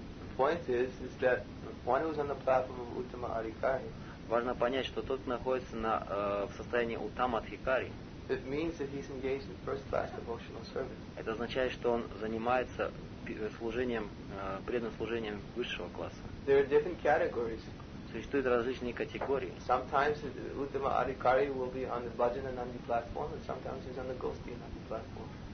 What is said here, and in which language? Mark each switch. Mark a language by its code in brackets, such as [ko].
[en] The point is that one who is on the platform of Uttama Adhikari, [ru] важно понять, что тот находится на в состоянии Uttama Adhikari. [en] It means that he's engaged in first-class devotional service. [ru] Это означает, что он занимается служением, преданным служением высшего класса. [en] There are different categories. [ru] Существуют различные категории. [en] Sometimes Uttama Adhikari will be on the Bhajananandi platform, and sometimes he's on the Gosthiananda platform.